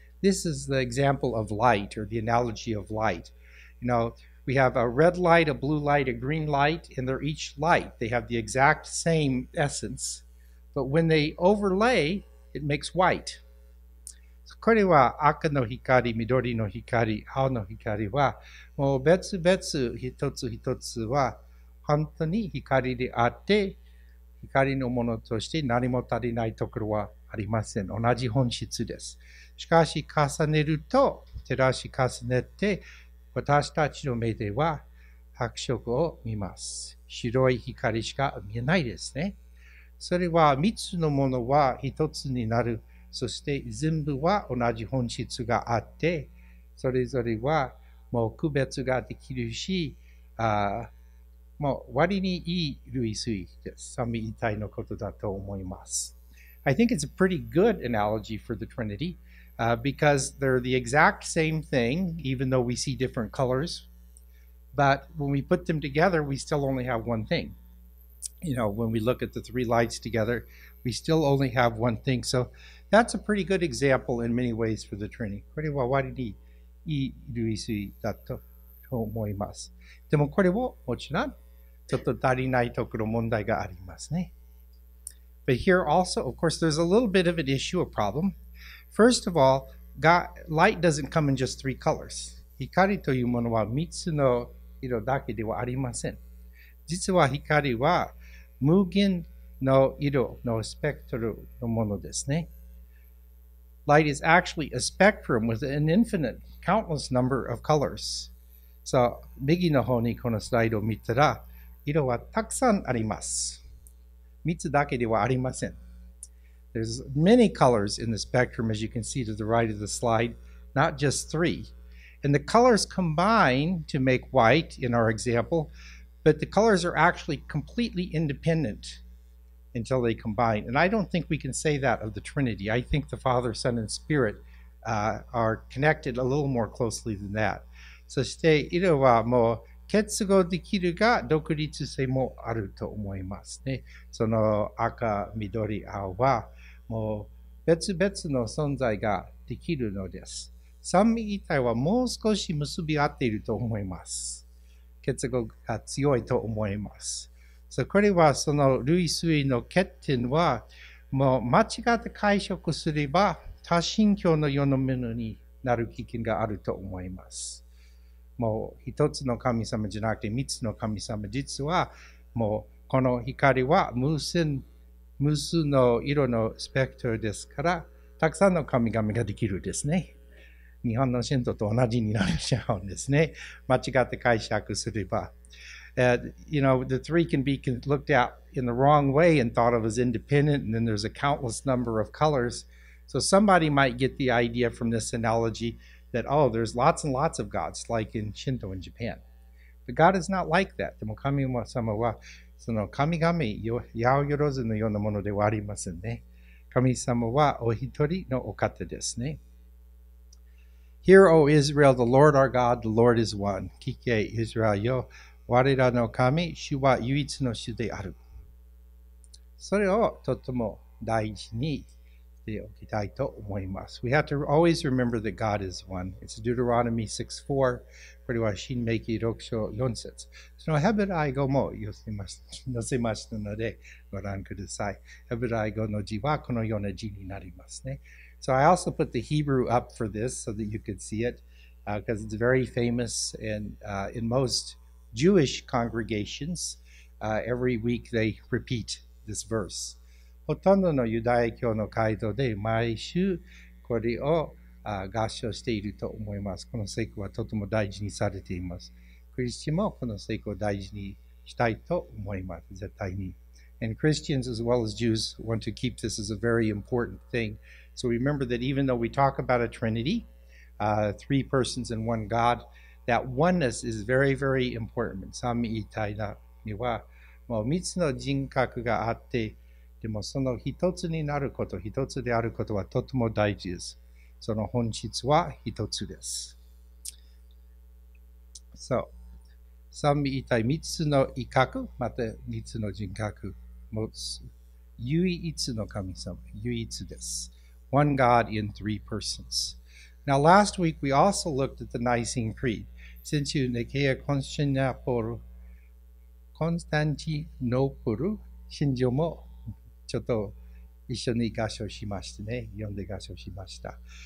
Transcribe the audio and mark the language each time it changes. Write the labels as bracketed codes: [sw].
[en] This is the example of light, or the analogy of light. You know,We have a red light, a blue light, a green light, and they're each light. They have the exact same essence, but when they overlay, it makes white. [ja] これは赤の光、緑の光、青の光は、もう別々一つ一つは本当に光であって、光のものとして何も足りないところはありません。同じ本質です。しかし重ねると、照らし重ねて、私たちの目では白色を見ます。白い光しか見えないですね。それは三つのものは一つになる。そして全部は同じ本質があって、それぞれはもう区別ができるし、もう割にいい類推です。三位一体のことだと思います。 [en] I think it's a pretty good analogy for the Trinity. Because they're the exact same thing, even though we see different colors. But when we put them together, we still only have one thing. You know, when we look at the three lights together, we still only have one thing. So that's a pretty good example in many ways for the Trinity. [ja] これは割にいい類推だと思います。でもこれはもちろん、ちょっと足りないところ問題がありますね。 [en] But here also, of course, there's a little bit of an issue, a problem. First of all, God, light doesn't come in just three colors. [ja] 光というものは三つの色だけではありません。実は光は無限の色のスペクトルのものですね。 [en] Light is actually a spectrum with an infinite, countless number of colors. [ja] So, 右の方にこのスライドを見たら、色はたくさんあります。三つだけではありません。 [en] There's many colors in the spectrum, as you can see to the right of the slide, not just three. And the colors combine to make white in our example, but the colors are actually completely independent until they combine. And I don't think we can say that of the Trinity. I think the Father, Son, and Spirit, are connected a little more closely than that. [ja] そして色はもう結合できるが独立性もあると思いますね。その赤、緑、青はもう別々の存在ができるのです。三位一体はもう少し結び合っていると思います。結合が強いと思います。So、これはその類推の欠点はもう間違って解釈すれば多神教の世のものになる危険があると思います。もう一つの神様じゃなくて三つの神様、実はもうこの光は無数の色のスペクトルですから、たくさんの神々ができるですね。日本の神道と同じになっちゃうんですね。間違って解釈すれば。 [en] You know, the three can be looked at in the wrong way and thought of as independent, and then there's a countless number of colors. So somebody might get the idea from this analogy that, oh, there's lots and lots of gods, like in Shinto in Japan. But God is not like that. [ja] でも神様はその神々、八百万のようなものではありませんね。神様はお一人のお方ですね。 [en] Hear, O Israel, the Lord our God, the Lord is one. [ja] 聞け、イスラエルよ、我らの神、主は唯一の主である。それをとても大事にしておきたいと思います。 [en] We have to always remember that God is one. It's Deuteronomy 6:4. [ja] これは新明記6章4節。そのヘブライ語も載せましたのでご覧ください。ヘブライ語の字はこのような字になりますね。 [en] So I also put the Hebrew up for this so that you could see it, because it's very famous in most Jewish congregations. Every week they repeat this verse. [ja] ほとんどのユダヤ教の会堂で毎週これを合唱していると思います。この聖句はとても大事にされています。クリスチャンもこの聖句を大事にしたいと思います。絶対に。 [en] And Christians as well as Jews want to keep this as a very important thing. So remember that even though we talk about a Trinity, three persons and one God, that oneness is very, very important. [ja] 三位一体にはもう三つの人格があって、でもその一つになること、一つであることはとても大事です。その本質は一つです。 So, 三位一体、三つの威嚇、また三つの人格、もう唯一の神様、唯一です。 [en] One God in three persons. Now, last week, we also looked at the Nicene Creed. [ja] Since you nekeia Constantinople, Constantinople, 信条もちょっと一緒に合唱しましたね。読んで合唱しました。